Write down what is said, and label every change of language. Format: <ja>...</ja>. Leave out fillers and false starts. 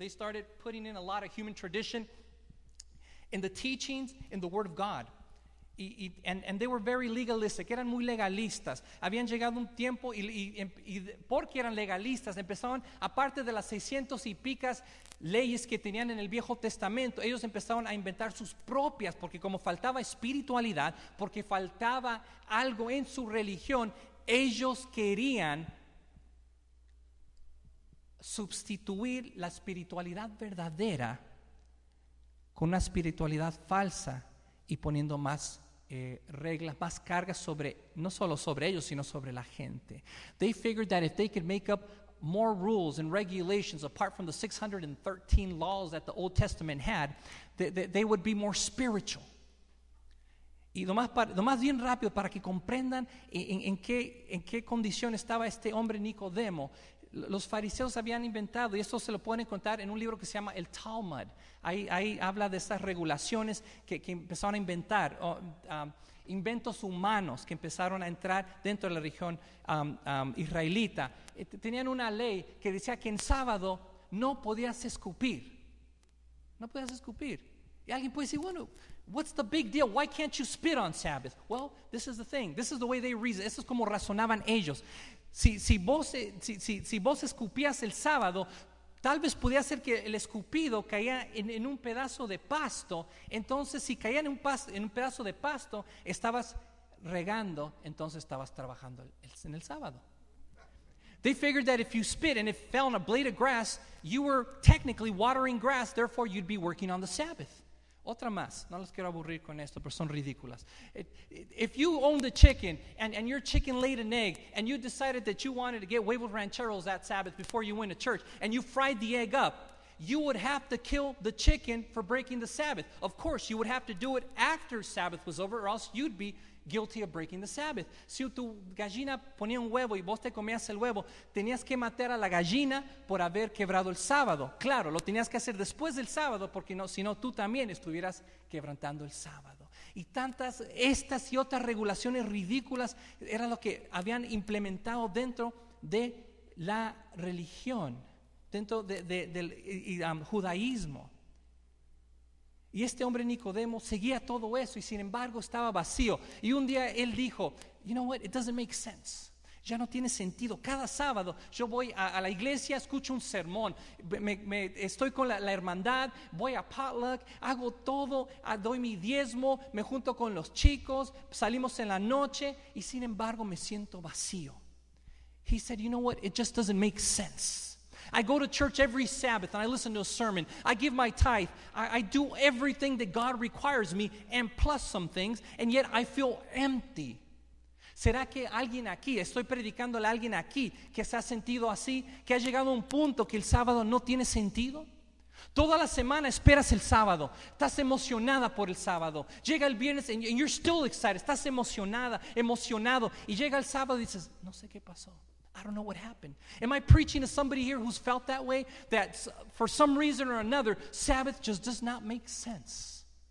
<en>They started putting in a lot of human tradition in the teachings, in the word of God. And they were very legalistic,</en> <es>eran muy legalistas. Habían llegado un tiempo y porque eran legalistas, empezaron, aparte de las 600 y picas leyes que tenían en el Viejo Testamento, ellos empezaron a inventar sus propias, porque como faltaba espiritualidad, porque faltaba algo en su religión, ellos querían sustituir la espiritualidad verdadera con una espiritualidad falsa y poniendo más reglas, más cargas sobre, no solo sobre ellos, sino sobre la gente.</es> <en>They figured that if they could make up more rules and regulations apart from the 613 laws that the Old Testament had, they would be more spiritual.</en> <es>Y lo más bien rápido para que comprendan en qué condición estaba este hombre Nicodemo. Los fariseos habían inventado, y esto se lo pueden encontrar en un libro que se llama El Talmud. Ahí habla de esas regulaciones que empezaron a inventar, inventos humanos que empezaron a entrar dentro de la región israelita. Tenían una ley que decía que en sábado no podías escupir. No podías escupir. Y alguien puede decir, bueno,</es> <en>what's the big deal? Why can't you spit on Sabbath? Well, this is the thing. This is the way they reason.</en> <es>Esto es como razonaban ellos. Si vos escupías el sábado, tal vez podía ser que el escupido caía en un pedazo de pasto. Entonces, si caía en un pedazo de pasto, estabas regando, entonces estabas trabajando en el sábado.</es> <en>They figured that if you spit and it fell on a blade of grass, you were technically watering grass, therefore you'd be working on the Sabbath.</en> <es>Otra más, no los quiero aburrir con esto, pero son ridículas.</es> <en>If you owned a chicken and your chicken laid an egg and you decided that you wanted to get huevos rancheros that Sabbath before you went to church and you fried the egg up, you would have to kill the chicken for breaking the Sabbath. Of course, you would have to do it after Sabbath was over, or else you'd be guilty of breaking the Sabbath.</en> <es>Si tu gallina ponía un huevo y vos te comías el huevo, tenías que matar a la gallina por haber quebrado el sábado. Claro, lo tenías que hacer después del sábado, porque si no tú también estuvieras quebrantando el sábado. Y tantas, estas y otras regulaciones ridículas era lo que habían implementado dentro de la religión, dentro del judaísmo. Y este hombre Nicodemo seguía todo eso, y sin embargo estaba vacío. Y un día él dijo,</es> <en>you know what, it doesn't make sense.</en> <es>Ya no tiene sentido. Cada sábado yo voy a la iglesia, escucho un sermón, me estoy con la hermandad, voy a potluck, hago todo, doy mi diezmo, me junto con los chicos, salimos en la noche, y sin embargo me siento vacío.</es> <en>He said, you know what, it just doesn't make sense. I go to church every Sabbath and I listen to a sermon. I give my tithe. I do everything that God requires me and plus some things, and yet I feel empty.</en> <es>¿Será que alguien aquí, estoy predicándole a alguien aquí que se ha sentido así, que ha llegado a un punto que el sábado no tiene sentido? Toda la semana esperas el sábado, estás emocionada por el sábado. Llega el viernes</es> <en>and you're still excited.</en> <es>Estás emocionada, emocionado, y llega el sábado y dices, no sé qué pasó.</es> <en>I don't know what happened. Am I preaching to somebody here who's felt that way? That for some reason or another, Sabbath just does not make sense.</en>